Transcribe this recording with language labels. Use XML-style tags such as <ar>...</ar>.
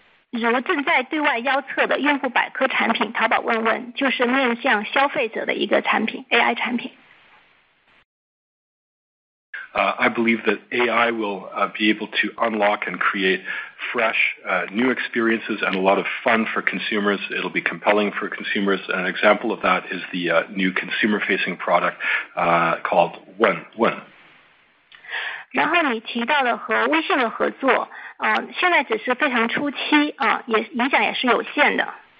<zh>如正在对外邀测的用户百科产品淘宝问问，就是面向消费者的一个产品 AI 产品。</zh> <en>I believe that AI will be able to unlock and create fresh, new experiences and a lot of fun for consumers. It'll be compelling for consumers. An example of that is the new consumer-facing product called One.</en> <zh>然后你提到了和微信的合作，现在只是非常初期，影响也是有限的。</zh>